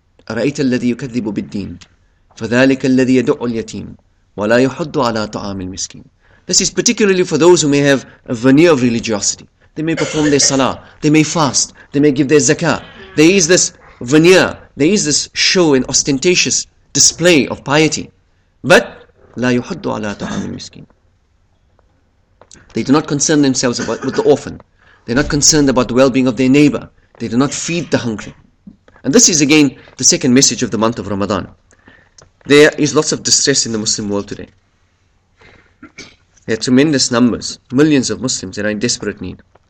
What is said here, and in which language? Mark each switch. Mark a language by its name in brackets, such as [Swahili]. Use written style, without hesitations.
[Arabic] أَرَأَيْتَ الَّذِي يُكَذِّبُ بِالدِّينِ فَذَلِكَ الَّذِي يَدُعُ الْيَتِيمِ وَلَا يُحُدُّ عَلَىٰ طَعَامِ الْمِسْكِينِ. [English] This is particularly for those who may have a veneer of religiosity. They may perform their salah, they may fast, they may give their zakah. There is this veneer, there is this show and ostentatious display of piety. But, [Arabic] لَا يُحُدُّ عَلَىٰ طَعَامِ الْمِسْكِينِ. [English] They do not concern themselves with the orphan. They are not concerned about the well-being of their neighbor. They do not feed the hungry. And this is again the second message of the month of Ramadan. There is lots of distress in the Muslim world today. There are tremendous numbers, millions of Muslims that are in desperate need.